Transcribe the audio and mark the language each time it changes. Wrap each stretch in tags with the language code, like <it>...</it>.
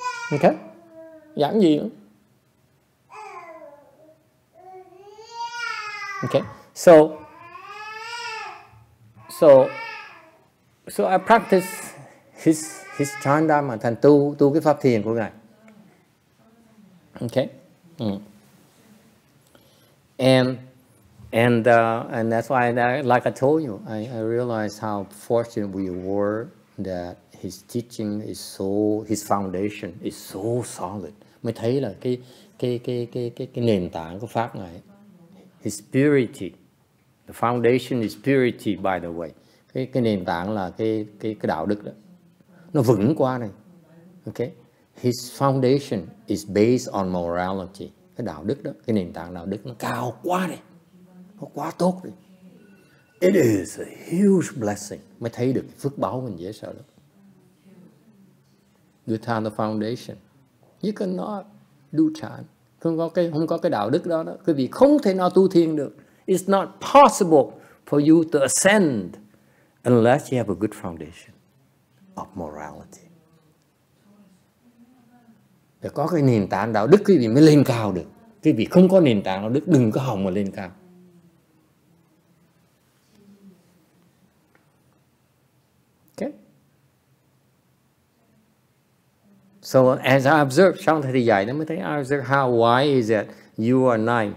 <vi>Okay. Giảng gì nữa.</vi> <en>Okay, so I practice his chan dharma,</en> <vi>thành tu cái pháp thiền của ngài.</vi> <en>Okay, and that's why like I told you, I realized how fortunate we were that his teaching is so, his foundation is so solid.</en> <vi>Mới thấy là cái nền tảng của pháp ngài.</vi> <en>His purity, the foundation is purity. By the way,</en> <vi>cái nền tảng là cái đạo đức đó, nó vững quá này.</vi> <en>Okay, his foundation is based on morality.</en> <vi>Cái đạo đức đó, cái nền tảng đạo đức nó cao quá này, nó quá tốt đi.</vi> <en>It is a huge blessing.</en> <vi>Mới thấy được phước báo mình dễ sợ lắm.</vi> <en>Without the foundation, you cannot do chan.</en> <vi>Không có cái đạo đức đó, đó, quý vị không thể nào tu thiền được.</vi> <en>It's not possible for you to ascend unless you have a good foundation of morality.</en> <vi>Để có cái nền tảng đạo đức quý vị mới lên cao được. Quý vị không có nền tảng đạo đức, đừng có hòng mà lên cao.</vi> <en>Okay. So as I observed,</en> <vi>trong thời gian đó mới thấy,</vi> <en>I observed how, why is it you are nine?</en>